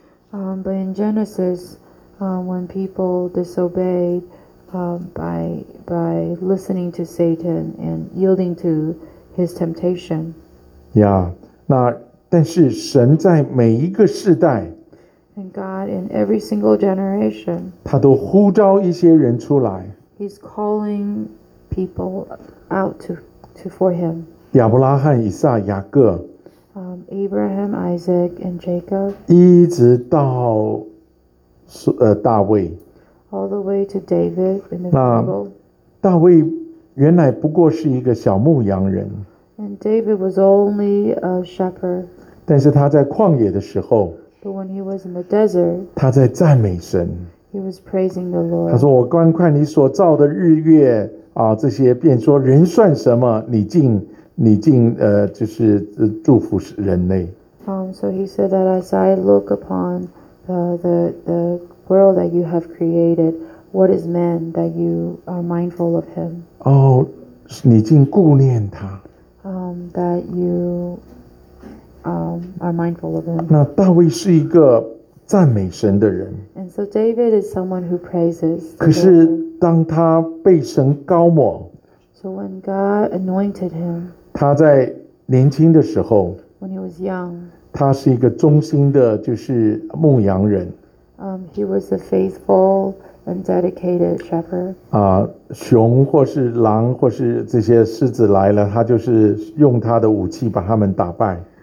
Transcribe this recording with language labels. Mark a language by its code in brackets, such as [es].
[en] But in Genesis, when people disobeyed by listening to Satan and yielding to his temptation. [zh] Yeah, 那但是神在每一个世代 [en] And God in every single generation. [zh] 他都呼召一些人出来 [en] He's calling people out to for him. [zh] 亚伯拉罕、以撒、雅各。 [en] Abraham, Isaac, and Jacob. [zh] 一直到大卫。 [en] All the way to David in the Bible. [zh] 大卫原来不过是一个小牧羊人。 [en] And David was only a shepherd. [zh] 但是他在旷野的时候。 [en] But when he was in the desert. [zh] 他在赞美神。 [en] He was praising the Lord. [zh] 他说我观看你所造的日月这些便说人算什么你竟就是祝福人类。 [en] So he said that as I look upon the world that you have created, what is man that you are mindful of him? [zh] 你竟顾念他。 [en] That you are mindful of him. [zh] 那大卫是一个赞美神的人。 [en] And so David is someone who praises. [zh] 可是当他被神高抹。 [en] So when God anointed him. [zh] 他在年轻的时候 [en] When he was young, [zh] 他是一个忠心的就是牧羊人 [en] He was a faithful and dedicated shepherd [zh] 熊或是狼或是这些狮子来了他就是用他的武器把他们打败